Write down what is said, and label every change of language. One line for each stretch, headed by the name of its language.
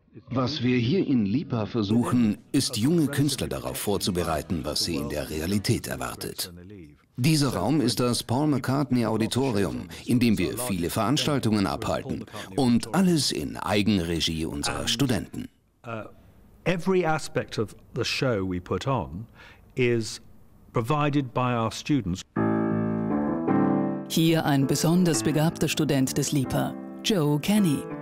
German: Was wir hier in LIPA versuchen, ist, junge Künstler darauf vorzubereiten, was sie in der Realität erwartet. Dieser Raum ist das Paul McCartney Auditorium, in dem wir viele Veranstaltungen abhalten und alles in Eigenregie unserer Studenten.
English: Every aspect of the show we put on is provided by our students.
German: Hier ein besonders begabter Student des LIPA, Joe Kenny.